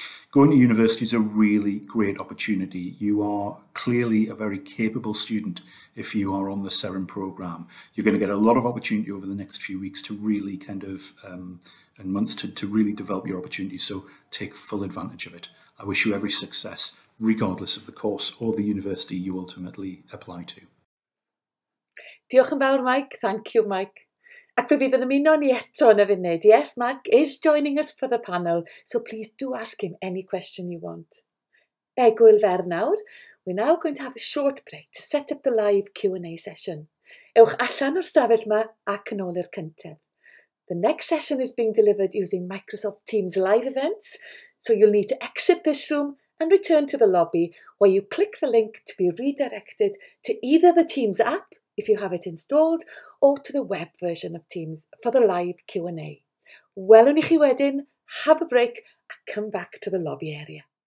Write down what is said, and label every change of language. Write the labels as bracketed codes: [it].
[en] Going to university is a really great opportunity. You are clearly a very capable student if you are on the Seren programme. You're going to get a lot of opportunity over the next few weeks to really kind of, and months to really develop your opportunity. So take full advantage of it. I wish you every success, regardless of the course or the university you ultimately apply to. [cy] Diolch yn fawr, [en] Mike. Thank you, Mike. [cy] Ac fe fydd yn ymuno ni eto yn y funud. [en] Yes, Mike is joining us for the panel, so please do ask him any question you want. [cy] Egwyl fer nawr, [en] we're now going to have a short break to set up the live Q&A session. [cy] Ewch allan o'r stafell ma ac yn ôl i'r cyntaf. [en] The next session is being delivered using Microsoft Teams live events, so you'll need to exit this room and return to the lobby where you click the link to be redirected to either the Teams app, if you have it installed, or to the web version of Teams for the live Q&A. [cy] Welwn i chi wedyn, [en] have a break, and come back to the lobby area.